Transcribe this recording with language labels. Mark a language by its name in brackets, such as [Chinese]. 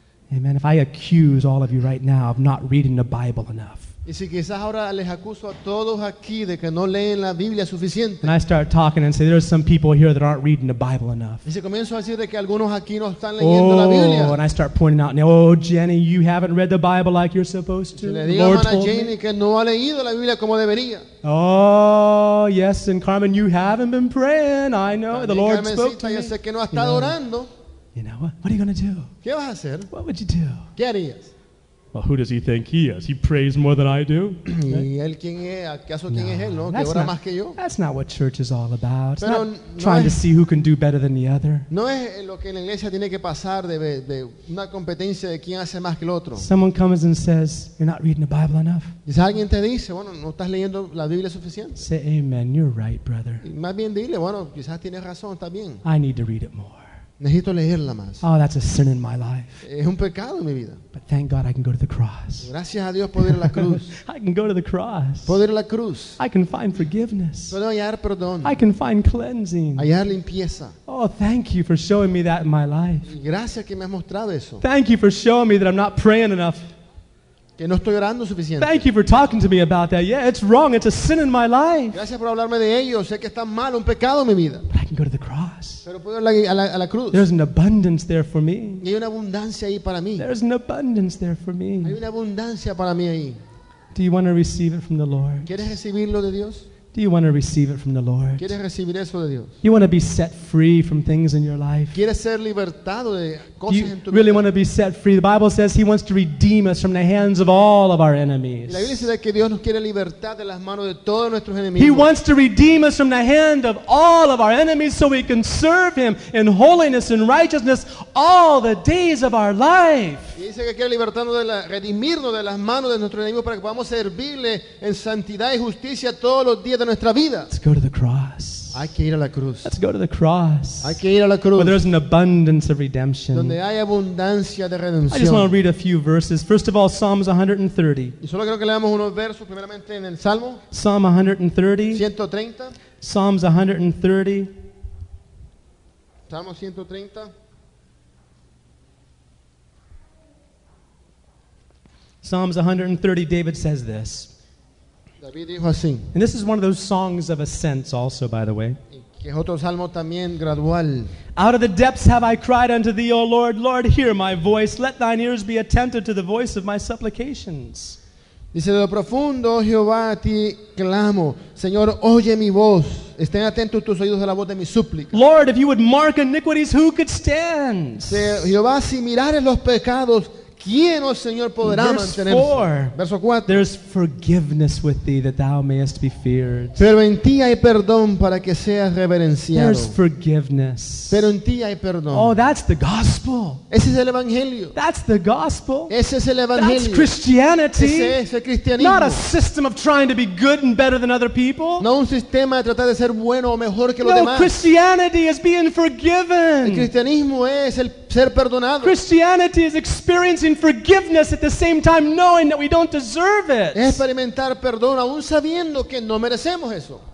[English] Amen. If I accuse all of you right now of not reading the Bible enough. [Spanish] Y si quizás ahora les acuso a todos aquí de que no leen la Biblia suficiente. [English] And I start talking and say there are some people here that aren't reading the Bible enough. [Spanish] Y si comienzo a decir de que algunos aquí no están leyendo la Biblia. [English] And I start pointing out, now, oh Jenny, you haven't read the Bible like you're supposed to. [Spanish] Si le digo a Jenny que no ha leído la Biblia como debería. [English] Oh yes, and Carmen, you haven't been praying. I know [Spanish] también [English] the Lord spoke to [Spanish] me. Yo sé que no ha estado orando. [English] You know what? What are you going to do? [Spanish] ¿Qué vas a hacer? [English] What would you do? [Spanish] ¿Qué harías? [English] Well, who does he think he is? He prays more than I do. That's not what church is all about. It's [Spanish] pero [English] not trying to see who can do better than the other. [Spanish] No es lo que la iglesia tiene que pasar de una competencia de quién hace más que el otro. [English] Someone comes and says, "You're not reading the Bible enough." [Spanish] Dice alguien te dice, bueno, no estás leyendo la Biblia suficiente. [English] Say, "Amen, you're right, brother." [Spanish] Y más bien dile, bueno, quizás tienes razón, está bien. [English] I need to read it more. [Spanish] Necesito leerla más. [English] Oh, that's a sin in my life. [Spanish] Es un pecado en mi vida. [English] But thank God I can go to the cross. [Spanish] Gracias a Dios puedo ir a la cruz. [English] I can go to the cross. [Spanish] Puedo ir a la cruz. [English] I can find forgiveness. [Spanish] Puedo hallar perdón. [English] I can find cleansing. [Spanish] Hallar limpieza. [English] Oh, thank you for showing me that in my life. [Spanish] Gracias que me has mostrado eso. [English] Thank you for showing me that I'm not praying enough. [Spanish] Que no estoy orando suficiente. [English] Thank you for talking to me about that. Yeah, it's wrong. It's a sin in my life. [Spanish] Gracias por hablarme de ello. Sé que está mal, un pecado en mi vida. [English] But I can go to the cross. [Spanish] Pero puedo ir a la cruz. [English] There's an abundance there for me. [Spanish] Y hay una abundancia ahí para mí. [English] There's an abundance there for me. [Spanish] Hay una abundancia para mí ahí. [English] Do you want to receive it from the Lord? [Spanish] ¿Quieres recibirlo de Dios? [English] Do you want to receive it from the Lord? [Spanish] ¿Quieres recibir eso de Dios? [English] You want to be set free from things in your life? [Spanish] ¿Quieres ser libertado de cosas [English] you [Spanish] en tu [English] really [Spanish] vida? [English] Want to be set free? The Bible says he wants to redeem us from the hands of all of our enemies. [Spanish] La Biblia dice que Dios nos quiere libertar de las manos de todos nuestros enemigos. [English] He wants to redeem us from the hand of all of our enemies so we can serve him in holiness and righteousness all the days of our life. [Spanish] Y dice que quiere redimirnos de las manos de nuestros enemigos para que podamos servirle en santidad y justicia todos los días de nuestra vida. [English] Let's go to the cross. [Spanish] Hay que ir a la cruz. [English] Let's go to the cross. [Spanish] Hay que ir a la cruz. [English] Where there's an abundance of redemption. [Spanish] Donde hay abundancia de redención. [English] I just want to read a few verses. First of all, Psalms 130. [Spanish] Y solo creo que leamos unos versos primeramente en el Salmo. [English] Psalm 130. 130. Psalms 130. [Spanish] Salmo 130. [English] Psalms 130, David says this. [Spanish] David dijo así. [English] And this is one of those songs of ascents also, by the way. [Spanish] Que es otro salmo también gradual. [English] Out of the depths have I cried unto thee, O Lord, Lord, hear my voice. Let thine ears be attentive to the voice of my supplications. [Spanish] Dice, de lo profundo, Jehová, a ti clamo. Señor, oye mi voz. Estén atentos tus oídos a la voz de mi súplica. [English] Lord, if you would mark iniquities, who could stand? [Spanish] Dice, Jehová, si mirares los pecados, ¿quién, oh Señor, podrá mantenerse? Verso 4. [English] There's forgiveness with thee that thou mayest be feared. [Spanish] Pero en ti hay perdón para que seas reverenciado. [English] There's forgiveness. [Spanish] Pero en ti hay perdón. [English] Oh, that's the gospel. [Spanish] Ese es el evangelio. [English] That's the gospel. [Spanish] Ese es el evangelio. [English] That's Christianity. [Spanish] Ese es el cristianismo. [English] Not a system of trying to be good and better than other people. [Spanish] No un sistema de tratar de ser bueno o mejor que no, los demás. [English] No, Christianity is being forgiven. [Spanish] El cristianismo es el ser perdonado. [English] Christianity is experiencing forgiveness at the same time knowing that we don't deserve it. [Spanish] Experimentar perdón aún sabiendo que no merecemos eso.